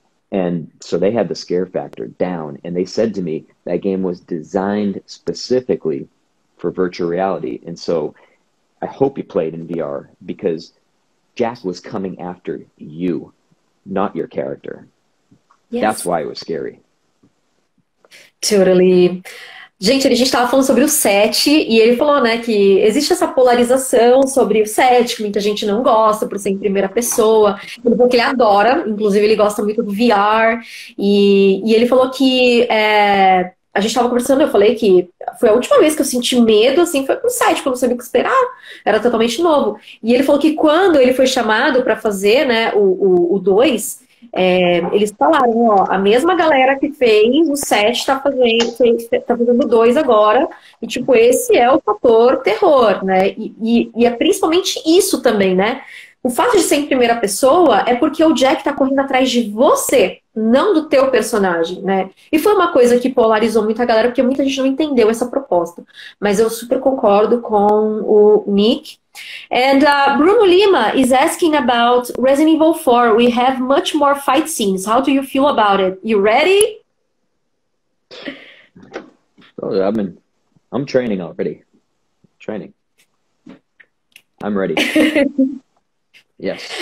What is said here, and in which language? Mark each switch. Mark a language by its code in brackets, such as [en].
[en] And so they had the scare factor down, and they said to me that game was designed specifically for virtual reality. And so I hope you played in VR, because Jack was coming after you, not your character. Yes. That's why it was scary. Totally. [pt] Gente, a gente estava falando sobre o 7, e ele falou, né, que existe essa polarização sobre o 7, que muita gente não gosta por ser em primeira pessoa. Ele falou que ele adora, inclusive ele gosta muito do VR, e ele falou que a gente estava conversando, eu falei que foi a última vez que eu senti medo, assim, foi com o 7, quando eu sabia o que esperar, era totalmente novo. E ele falou que quando ele foi chamado para fazer, né, o 2... eles falaram, ó, a mesma galera que fez o 7 tá fazendo o 2 agora, e tipo, esse é o fator terror, né, e é principalmente isso também, né, o fato de ser em primeira pessoa é porque o Jack tá correndo atrás de você, não do teu personagem, né, e foi uma coisa que polarizou muito a galera, porque muita gente não entendeu essa proposta, mas eu super concordo com o Nick. [en] And Bruno Lima is asking about Resident Evil 4. We have much more fight scenes. How do you feel about it? You ready? Oh, I'm training already. Training. I'm ready. Yes.